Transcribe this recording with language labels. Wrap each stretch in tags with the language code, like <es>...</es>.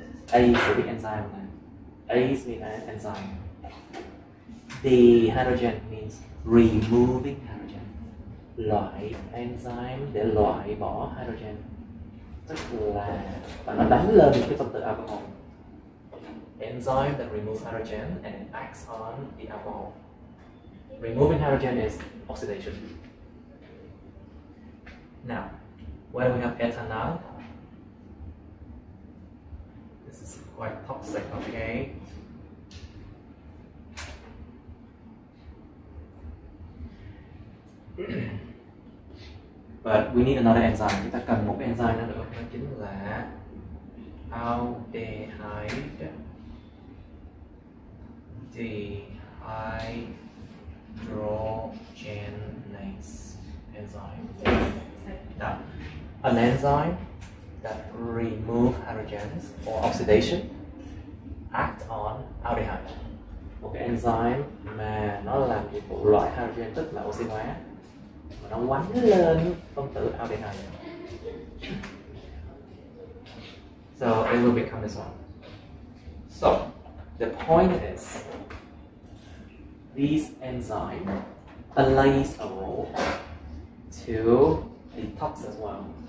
<vi>ACE là cái enzyme này.</vi> <en>ACE means an enzyme. Dehydrogen means removing hydrogen.</en> <vi>Loại enzyme để loại bỏ hydrogen. Tức là và nó đánh lên cái phân tử alcohol.</vi> <en>Enzyme that removes hydrogen and it acts on the alcohol. Removing hydrogen is oxidation. Now, where we have ethanol, this is quite toxic, okay? But we need another enzyme.</en> <vi>Chúng ta cần một enzyme nữa. Đó chính là aldehyde dehydrogenase enzyme.</vi> <en>Now, an enzyme that removes hydrogens or oxidation act on aldehyde.</en> <vi>Một cái enzyme mà nó làm việc của loại hydrogen, tức là oxy hóa, mà nó quấn lên phân tử aldehyde.</vi> <en>So it will become this one. So the point is, these enzyme plays a role to detox as well.</en>